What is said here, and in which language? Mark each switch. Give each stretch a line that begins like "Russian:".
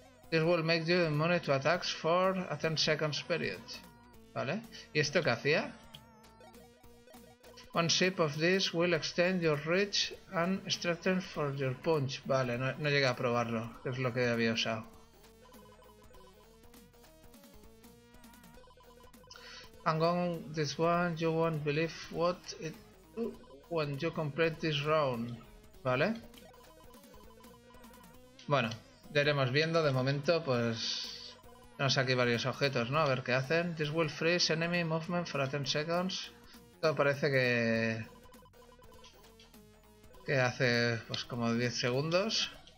English: This will make you immune to attacks for a 10 seconds period.
Spanish: ¿Vale? ¿Y esto qué hacía?
English: One sip of this will extend your reach and strengthen for your punch.
Spanish: Vale, no, no llegué a probarlo, que es lo que había usado.
English: I'm going this one, you won't believe what it do when you complete this round.
Spanish: ¿Vale? Bueno, ya iremos viendo. De momento, pues tenemos aquí varios objetos, ¿no? A ver qué hacen.
English: This will freeze enemy movement for 10 seconds.
Spanish: Todo parece que hace pues como 10 segundos.